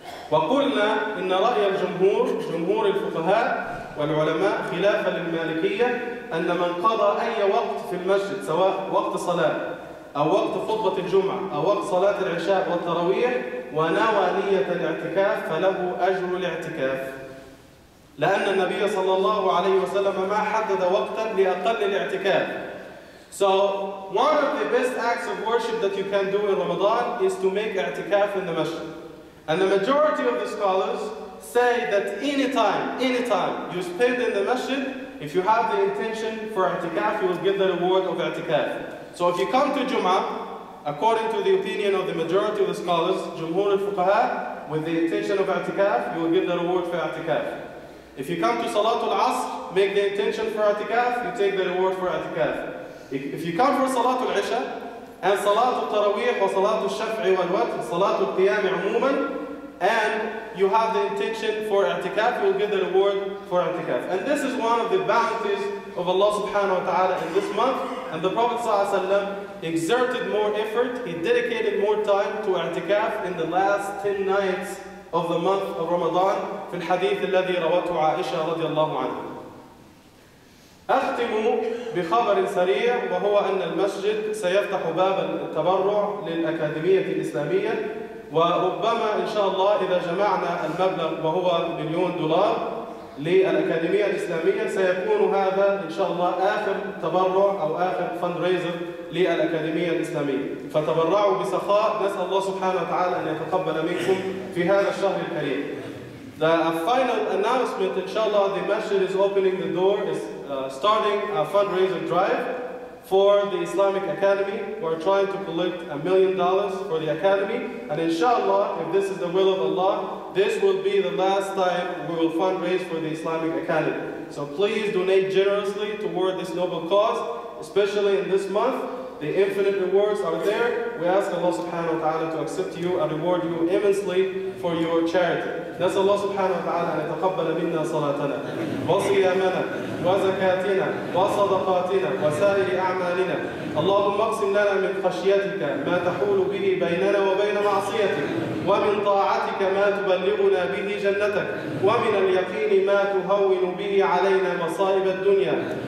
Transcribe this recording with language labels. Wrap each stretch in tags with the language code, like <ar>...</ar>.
<ar>وقلنا ان راي الجمهور، جمهور الفقهاء والعلماء، خلافا للمالكيه، ان من قضى اي وقت في المسجد سواء وقت صلاه أو وقت خطبة الجمعة أو وقت صلاة العشاء والتراويح ونوى نية الاعتكاف فله أجر الاعتكاف، لأن النبي صلى الله عليه وسلم ما حدد وقتا لأقل الاعتكاف.</ar> <en>So one of the best acts of worship that you can do in Ramadan is to make اعتكاف in the masjid. And the majority of the scholars say that anytime you spend in the masjid, if you have the intention for اعتكاف, you will get the reward of اعتكاف. So if you come to Jum'ah, according to the opinion of the majority of the scholars, Jumhur al-Fuqaha, with the intention of i'tikaf, you will get the reward for i'tikaf. If you come to Salatul Asr, make the intention for i'tikaf, you take the reward for i'tikaf. If you come for Salatul Isha, and Salatul Tarawih, or Salatul Shaf'i wal-Watr, Salatul Qiyam umuman, and you have the intention for i'tikaf, you will get the reward for i'tikaf. And this is one of the bounties of Allah subhanahu wa ta'ala in this month. And the Prophet صلى الله عليه وسلم exerted more effort, he dedicated more time to i'tikaf in the last 10 nights of the month of Ramadan.</en> <ar>في الحديث الذي روته عائشة رضي الله عنها. أختم بخبر سريع، وهو أن المسجد سيفتح باب التبرع للأكاديمية الإسلامية، وربما إن شاء الله إذا جمعنا المبلغ وهو $1 مليون للأكاديمية الإسلامية سيكون هذا إن شاء الله آخر تبرع أو آخر فندريزر للأكاديمية الإسلامية. فتبرعوا بسخاء، نسأل الله سبحانه وتعالى أن يتقبل منكم في هذا الشهر الكريم.</ar> <en>The final announcement, إن شاء الله the masjid is opening the door, is starting a fundraiser drive for the Islamic Academy. We're trying to collect $1 million for the Academy. And inshallah, if this is the will of Allah, this will be the last time we will fundraise for the Islamic Academy. So please donate generously toward this noble cause, especially in this month. The infinite rewards are there. We ask Allah subhanahu wa ta'ala to accept you and reward you immensely for your charity.</en> <ar>نسأل الله سبحانه وتعالى أن يتقبل منا صلاتنا وصيامنا وزكاتنا وصدقاتنا وسائر أعمالنا. اللهم اقسم لنا من خشيتك ما تحول به بيننا وبين معصيتك، ومن طاعتك ما تبلغنا به جنتك، ومن اليقين ما تهون به علينا مصائب الدنيا.</ar>